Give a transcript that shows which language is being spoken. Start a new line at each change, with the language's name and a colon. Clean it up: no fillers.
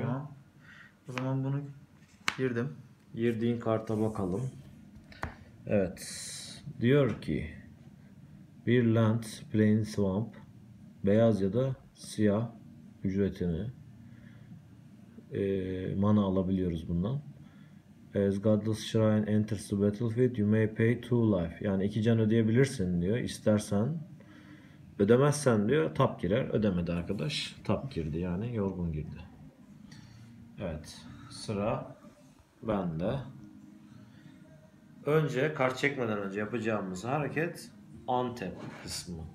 Turkish: Tamam. O zaman bunu girdim. Girdiğin karta bakalım. Evet. Diyor ki bir land, plain, swamp, beyaz ya da siyah ücretini mana alabiliyoruz bundan.
English: As Godless Shrine enters the battlefield, you may pay 2 life.
Turkish: Yani 2 can ödeyebilirsin diyor. İstersen ödemezsen diyor, tap girer. Ödemedi arkadaş. Tap girdi yani, yorgun girdi. Evet, sıra bende. Önce, kart çekmeden önce yapacağımız hareket untap kısmı.